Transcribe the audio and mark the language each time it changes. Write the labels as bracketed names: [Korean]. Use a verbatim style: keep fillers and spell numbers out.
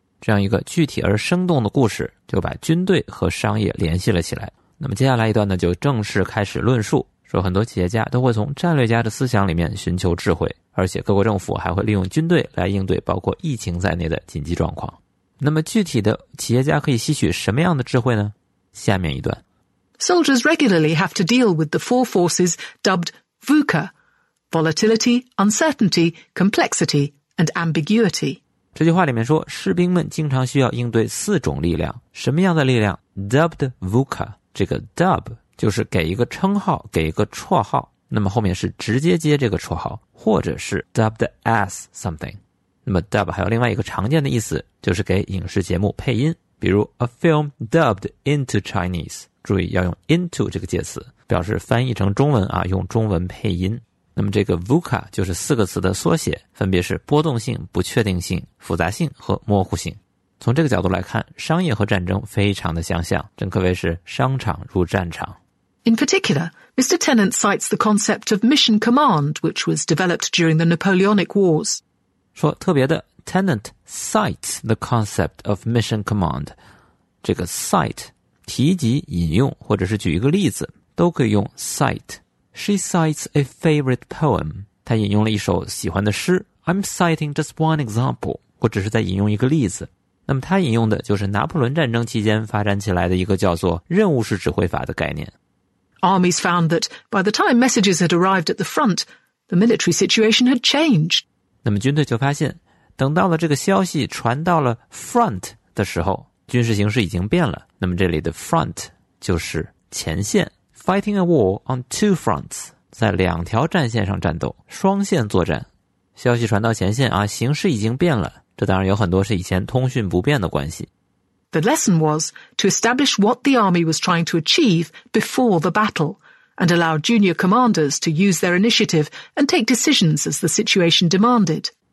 [Chinese] 这样一个具体而生动的故事，就把军队和商业联系了起来。那么接下来一段呢，就正式开始论述，说很多企业家都会从战略家的思想里面寻求智慧，而且各国政府还会利用军队来应对包括疫情在内的紧急状况。那么具体的企业家可以吸取什么样的智慧呢？下面一段。 [English] Soldiers regularly have to deal with the four forces dubbed VUCA, volatility, uncertainty, complexity, and ambiguity. [Chinese] 这句话里面说，士兵们经常需要应对四种力量。什么样的力量？dubbed VUCA， 这个 dub 就是给一个称号，给一个绰号，那么后面是直接接这个绰号，或者是 [English] dubbed as something。 [Chinese] 那么 dub 还有另外一个常见的意思，就是给影视节目配音，比如 [English] a film dubbed into Chinese， [Chinese] 注意要用 into 这个介词，表示翻译成中文啊，用中文配音。那么这个 VUCA 就是四个词的缩写，分别是波动性、不确定性、复杂性和模糊性。从这个角度来看，商业和战争非常的相像，真可谓是商场如战场。 [English] In particular, Mister Tennant cites the concept of mission command, which was developed during the Napoleonic Wars. [Chinese] 说特别的 [English] Tennant cites the concept of mission command， [Chinese] 这个 cite 提及引用或者是举一个例子都可以用 cite。 [English] She cites a favorite poem， [Chinese] 她引用了一首喜欢的诗。 [English] I'm citing just one example， [Chinese] 我只是在引用一个例子。那么她引用的就是拿破仑战争期间发展起来的一个叫做任务式指挥法的概念。 [English] Armies found that by the time messages had arrived at the front, the military situation had changed。 [Chinese] 那么军队就发现，等到了这个消息传到了 front 的时候，军事形势已经变了。那么这里的 front 就是前线。 [English] Fighting a war on two fronts， [Chinese] 在两条战线上战斗，双线作战。消息传到前线啊，形势已经变了，这当然有很多是以前通讯不便的关系。 [English] The lesson was to establish what the army was trying to achieve before the battle and allow junior commanders to use their initiative and take decisions as the situation demanded.